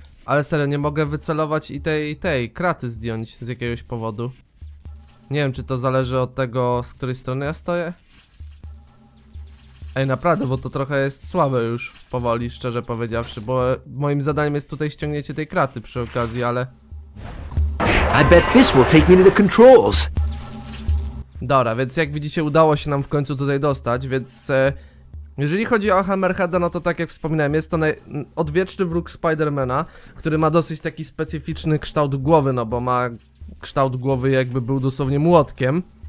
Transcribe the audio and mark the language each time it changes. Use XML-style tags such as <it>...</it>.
<pl>Ale serio, nie mogę wycelować i tej kraty zdjąć z jakiegoś powodu. Nie wiem, czy to zależy od tego, z której strony ja stoję. Ej, naprawdę, bo to trochę jest słabe już, powoli, szczerze powiedziawszy, bo moim zadaniem jest tutaj ściągnięcie tej kraty przy okazji, ale...</pl> <en>I bet this will take me to the controls.</en> <pl>Dobra, więc jak widzicie, udało się nam w końcu tutaj dostać, więc... jeżeli chodzi o Hammerheada, no to tak jak wspominałem, jest to odwieczny wróg Spidermana, który ma dosyć taki specyficzny kształt głowy, no bo ma kształt głowy, jakby był dosłownie młotkiem.</pl>